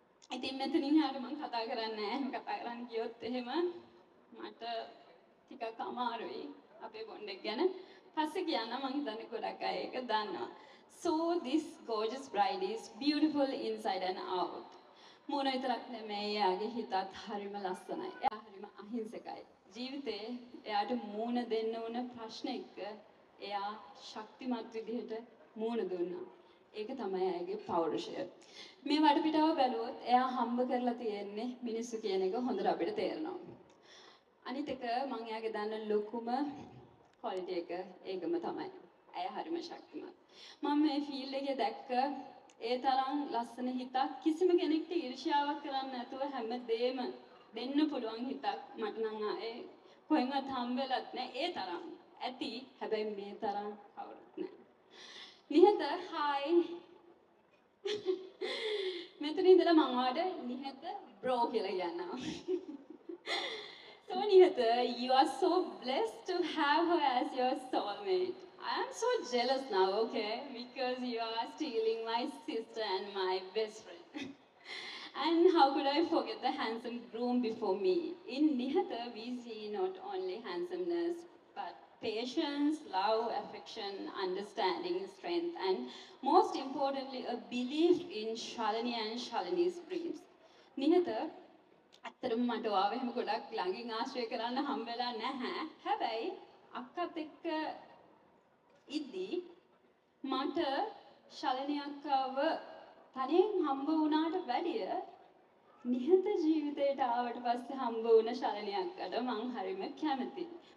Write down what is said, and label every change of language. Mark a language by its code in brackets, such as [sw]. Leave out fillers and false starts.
[si] ඉතින් මෙතනින් හැර මං කතා කරන්නේ නැහැ. කතා කරන්න ගියොත් එහෙම මට ටිකක් අමාරුයි අපේ බොන්ඩ් එක ගැන. පස්සේ කියන්න මං හිතන්නේ ගොඩක් අය ඒක දන්නවා. [en] So this gorgeous bride is beautiful inside and out. [si] මොන විතරක් නෙමෙයි එයාගේ හිතත් හරිම ලස්සනයි. එයා හරිම අහිංසකයි. ජීවිතේ එයාට මූණ දෙන්න උන ප්‍රශ්න එක එයා ශක්තිමත් විදිහට මූණ දුන්නා. ඒක තමයි එයාගේ පෞරුෂය. මේ වටපිටාව බැලුවොත් එයා හම්බ කරලා තියෙන්නේ මිනිස්සු කියන එක හොඳට අපිට තේරෙනවා. අනිත් එක මම එයාගේ දන්න ලොකුම ක්වොලිටි එක ඒකම තමයි. ඇය හරිම ශක්තිමත්. මම මේ ෆීල්ඩ් එකේ දැක්ක ඒ තරම් ලස්සන හිතක් කිසිම කෙනෙක්ට ඊර්ෂ්‍යාවක් කරන්න නැතුව හැමදේම දෙන්න පුළුවන් හිතක් මට නම් ආයේ කොහෙවත් හම්බෙලත් නැහැ. ඒ තරම් ඇති. හැබැයි මේ තරම් කවුරුත් නැහැ. නිහත හයි. මෙතන ඉඳලා මම ඔයාලට නිහත බ්‍රෝ කියලා කියනවා. [en] So Nihata, you are so blessed to have her as your soulmate. I am so jealous now, okay? Because you are stealing my sister and my best friend. And how could I forget the handsome groom before me? In Nihata, we see not only handsomeness, but patience, love, affection, understanding, strength, and most importantly, a belief in Shalani and Shalani's dreams. [si] Nihata, අතරම මට ඔයාව එහෙම ගොඩක් ළඟින් ආශ්‍රය කරන්න හම් වෙලා නැහැ. හැබැයි අක්කත් එක්ක ඉදි මට ශලනි අක්කව තනියෙන් හම්බ වුණාට වැඩිය නිහත ජීවිතයට ආවට පස්සේ හම්බ වුණ ශලනි අක්කට මං හරිම කැමතියි.